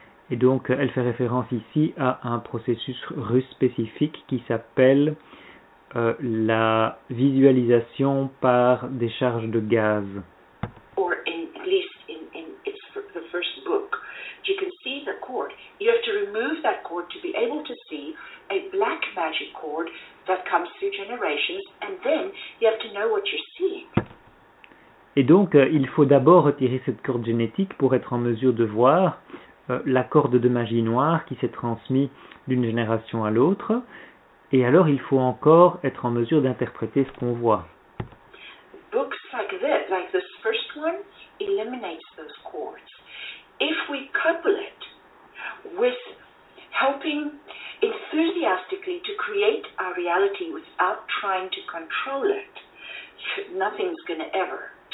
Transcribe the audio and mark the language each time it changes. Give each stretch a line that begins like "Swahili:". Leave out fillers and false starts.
French: Et donc, elle fait référence ici à un processus russe spécifique qui s'appelle la visualisation par des charges de gaz.
English: Or, at least in it's the first book, you can see the cord. You have to remove that cord to be able to see a black magic cord that comes through generations, and then you have to know what you're seeing.
French: Et donc, il faut d'abord retirer cette corde génétique pour être en mesure de voir la corde de magie noire qui s'est transmise d'une génération à l'autre. Et alors, il faut encore être en mesure d'interpréter ce qu'on voit.
English: Books like this first one, eliminates those cords. If we couple it with helping enthusiastically to create our reality without trying to control it, nothing's going to ever.